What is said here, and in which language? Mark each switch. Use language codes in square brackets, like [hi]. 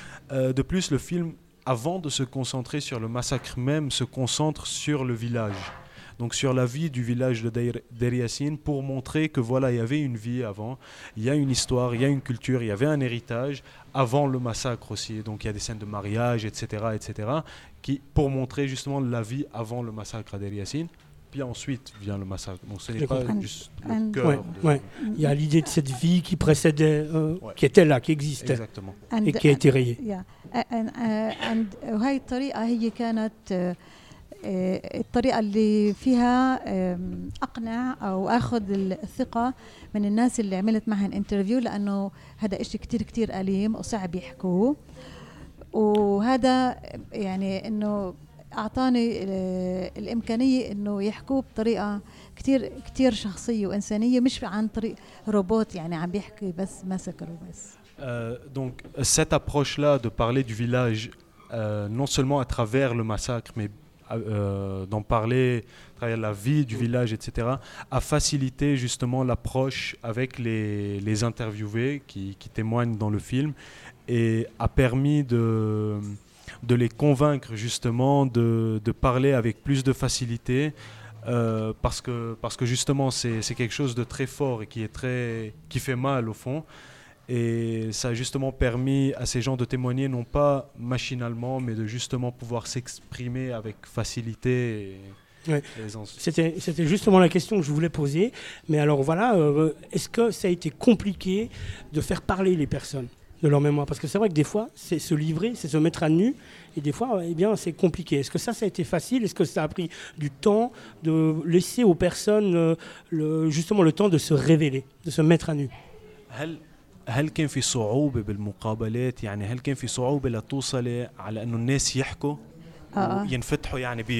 [fr] De plus, le film, avant de se concentrer sur le massacre même, se concentre sur le village, donc sur la vie du village de Deir Yassine, pour montrer que voilà, il y avait une vie avant, il y a une histoire, il y a une culture, il y avait un héritage avant le massacre aussi. Donc il y a des scènes de mariage, etc., etc., qui, pour montrer justement la vie avant le massacre à Deir Yassine. Puis ensuite vient le massacre. Donc ce n'est pas juste le cœur. Ouais, ouais. Il y a l'idée de cette vie qui précédait, ouais, qui était là, qui existait. Exactement. Et qui a été rayée. Et cette façon, c'était [ar] الطريقة اللي فيها أقنع أو أخذ الثقة من الناس اللي عملت معهم انترفيو، لأنه هذا إشي كتير كتير أليم وصعب يحكوه، وهذا يعني إنه أعطاني الإمكانية إنه يحكوه بطريقة كتير كتير شخصية وإنسانية، مش عن طريق روبوت يعني عم بيحكي بس مسكر وبس. [fr] Donc cette approche là de parler du village non seulement à travers le massacre mais d'en parler, travailler la vie du village, etc., a facilité justement l'approche avec les interviewés qui témoignent dans le film, et a permis de les convaincre justement de parler avec plus de facilité, parce que justement c'est quelque chose de très fort et qui fait mal au fond. Et ça a justement permis à ces gens de témoigner, non pas machinalement, mais de justement pouvoir s'exprimer avec facilité. Ouais. C'était justement la question que je voulais poser. Mais alors voilà, est-ce que ça a été compliqué de faire parler les personnes de leur mémoire ? Parce que c'est vrai que des fois, c'est se livrer, c'est se mettre à nu. Et des fois, eh bien, c'est compliqué. Est-ce que ça a été facile ? Est-ce que ça a pris du temps de laisser aux personnes justement le temps de se révéler, de se mettre à nu ? [ar] هل كان في صعوبة بالمقابلات؟ يعني هل كان في صعوبة لتوصل على إنه الناس يحكوا ينفتحوا يعني